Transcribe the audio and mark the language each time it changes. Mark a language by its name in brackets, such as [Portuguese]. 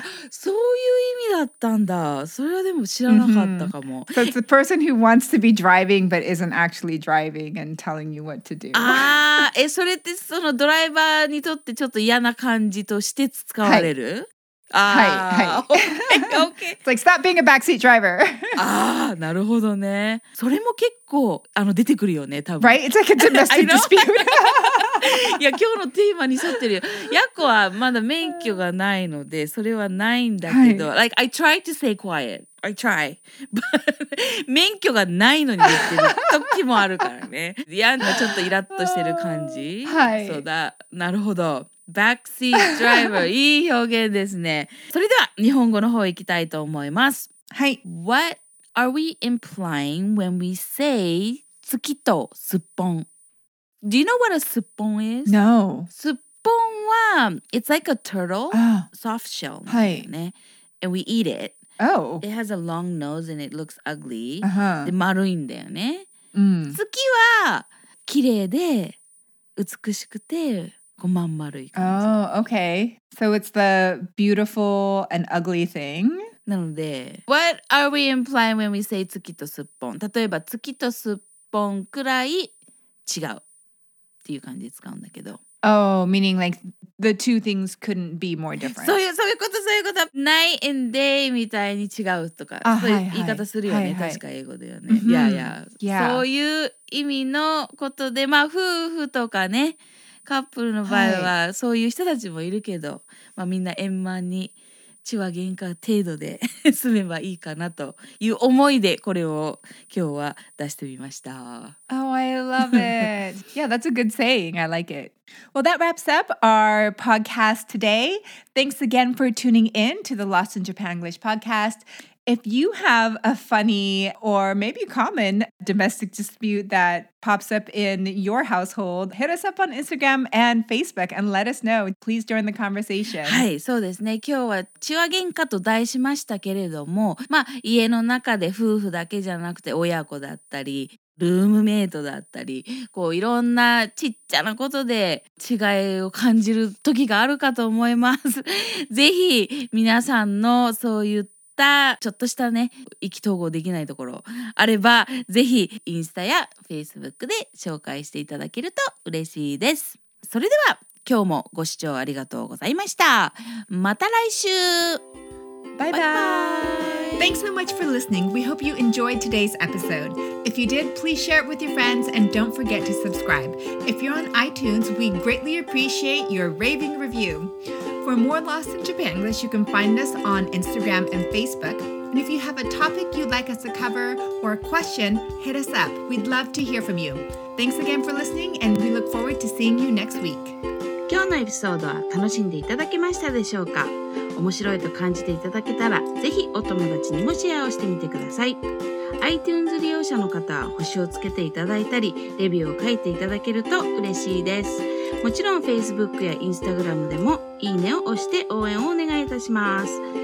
[Japanese] そういう意味だったんだ。それはでも知らなかったかも。 [English] So it's the person who wants to be driving but isn't actually driving and telling you what to do. [Japanese] ああ、それってそのドライバーにとってちょっと嫌な感じとして使われる? はい。 [English] Okay, okay. It's like, stop being a backseat driver. [Japanese] ああ、なるほどね。それも結構出てくるよね、多分。 [English] Right? It's like a domestic dispute. [Japanese] いや今日のテーマに沿ってるよ。ヤコはまだ免許がないのでそれはないんだけど、はい、 [English] like I try to stay quiet. I try. [Japanese] But 免許がないのに言ってる時もあるからね。リアンがちょっとイラッとしてる感じ。はい。そうだ。なるほど。Backseat driver. いい表現ですね。それでは日本語の方行きたいと思います。はい。 [English] What are we implying when we say 月とすっぽん？ Do you know what a suppon is? No. Suppon wa, it's like a turtle, soft shell. [Japanese] Hai. [English] And we eat it. Oh. It has a long nose and it looks ugly. Uh-huh. [Japanese] で、丸いんだよね。月は綺麗で美しくて、こうまん丸い感じ。 [English] Oh, okay. So it's the beautiful and ugly thing. [Japanese] なので、 [English] What are we implying when we say [Japanese] 月とすっぽん? 例えば、月とすっぽんくらい違う。っていう感じで使うんだけど。 [English] Oh, meaning like the two things couldn't be more different. [Japanese] そういうこと、そういうこと。 [English] Night and day [Japanese] みたいに違うとか、そういう言い方するよね、はいはい、確か英語だよね。はいはい、いやいや、 [English] yeah. [Japanese] そういう意味のことで、まあ夫婦とかね、カップルの場合はそういう人たちもいるけど、はい、まあみんな円満に、血は喧嘩程度で住めばいいかなという思いでこれを今日は出してみました。 [English] Oh, I love it. Yeah, that's a good saying. I like it. Well, that wraps up our podcast today. Thanks again for tuning in to the Lost in Japan English podcast. If you have a funny or maybe common domestic dispute that pops up in your household, hit us up on Instagram and Facebook and let us know. Please join the conversation. [Japanese] はい、そうですね。今日は血は喧嘩と題しましたけれども、まあ家の中で夫婦だけじゃなくて親子だったり、ルームメイトだったり、こういろんなちっちゃなことで違いを感じる時があるかと思います。ぜひ皆さんのそういうちょっとしたね、意気投合できないところあれば、ぜひインスタやフェイスブックで紹介していただけると嬉しいです。それでは今日もご視聴ありがとうございました。また来週。 [English] バイバイ。Thanks so much for listening. We hope you enjoyed today's episode. If you did, please share it with your friends and don't forget to subscribe. If you're on iTunes, we greatly appreciate your raving review. For more Lost in Japan English, you can find us on Instagram and Facebook. And if you have a topic you'd like us to cover or a question, hit us up. We'd love to hear from you. Thanks again for listening, and we look forward to seeing you next week. [Japanese] 今日のエピソードは楽しんでいただけましたでしょうか？面白いと感じていただけたら、ぜひお友達にもシェアをしてみてください。 iTunes 利用者の方は星をつけていただいたり、レビューを書いていただけると嬉しいです。もちろん Facebook や Instagram でもいいねを押して応援をお願いいたします。